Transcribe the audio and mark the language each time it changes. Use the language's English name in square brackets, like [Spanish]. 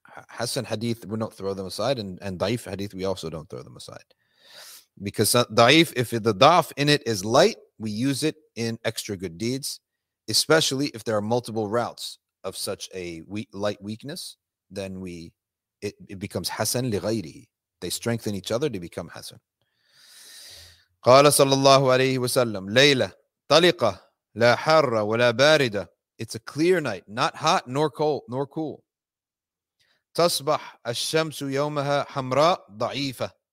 [English] Hassan hadith, we don't throw them aside. And Da'if hadith, we also don't throw them aside. Because Da'if, if the Da'if in it is light, we use it in extra good deeds. Especially if there are multiple routes of such a light weakness, then it becomes Hassan لِغَيْرِهِ. They strengthen each other to become Hassan. [Arabic] قال صلى الله عليه وسلم ليلة طلقة لا حارة ولا باردة. [English] It's a clear night, not hot nor cold. [Arabic] تصبح الشمس يومها حمراء ضعيفة.